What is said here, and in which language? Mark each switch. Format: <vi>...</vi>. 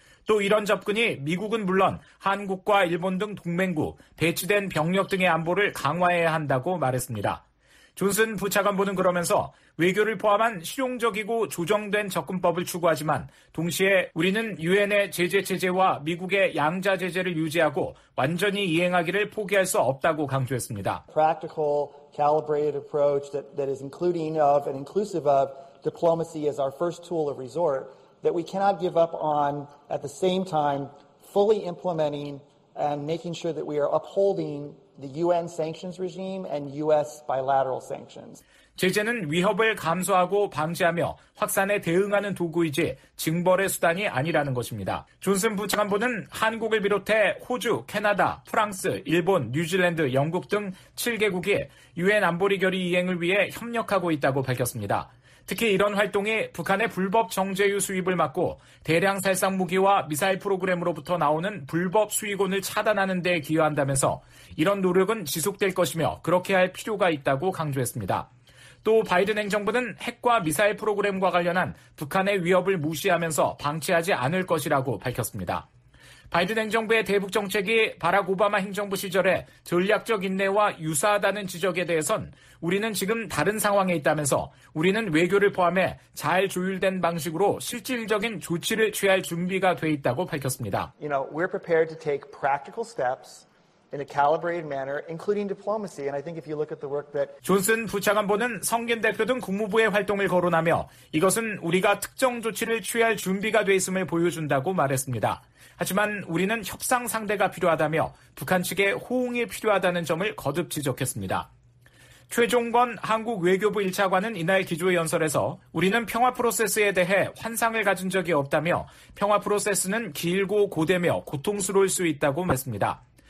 <ko>또 이런 접근이 미국은 물론 한국과 일본 등 동맹국, 배치된 병력 등의 안보를 강화해야 한다고 말했습니다. 존슨 부차관보는 그러면서 외교를 포함한 실용적이고 조정된 접근법을 추구하지만 동시에 우리는 유엔의 제재체제와 미국의 양자제재를 유지하고 완전히 이행하기를 포기할 수 없다고 강조했습니다.</ko> <en>Practical, calibrated approach that is including of and inclusive of diplomacy as our first tool of resort. That we cannot give up on at the same time fully implementing and making sure that we are upholding the UN sanctions regime and US bilateral sanctions.</en> <ko>제재는 위협을 감수하고 방지하며 확산에 대응하는 도구이지 징벌의 수단이 아니라는 것입니다. 존슨 부차관보는 한국을 비롯해 호주, 캐나다, 프랑스, 일본, 뉴질랜드, 영국 등 7개국이 UN 안보리 결의 이행을 위해 협력하고 있다고 밝혔습니다. 특히 이런 활동이 북한의 불법 정제유 수입을 막고 대량 살상 무기와 미사일 프로그램으로부터 나오는 불법 수익원을 차단하는 데 기여한다면서 이런 노력은 지속될 것이며 그렇게 할 필요가 있다고 강조했습니다. 또 바이든 행정부는 핵과 미사일 프로그램과 관련한 북한의 위협을 무시하면서 방치하지 않을 것이라고 밝혔습니다. 바이든 행정부의 대북 정책이 바락 오바마 행정부 시절에 전략적 인내와 유사하다는 지적에 대해선 우리는 지금 다른 상황에 있다면서 우리는 외교를 포함해 잘 조율된 방식으로 실질적인 조치를 취할 준비가 돼 있다고 밝혔습니다.</ko> <en>You know, we're prepared to take practical steps in a calibrated manner including diplomacy and I think if you look at the work that</en> <ko>존슨 부차관보는 성김 대표 등 국무부의 활동을 거론하며 이것은 우리가 특정 조치를 취할 준비가 돼 있음을 보여준다고 말했습니다. 하지만 우리는 협상 상대가 필요하다며 북한 측의 호응이 필요하다는 점을 거듭 지적했습니다. 최종권 한국 외교부 1차관은 이날 기조연설에서 우리는 평화 프로세스에 대해 환상을 가진 적이 없다며 평화 프로세스는 길고 고되며 고통스러울 수 있다고 말했습니다.</ko>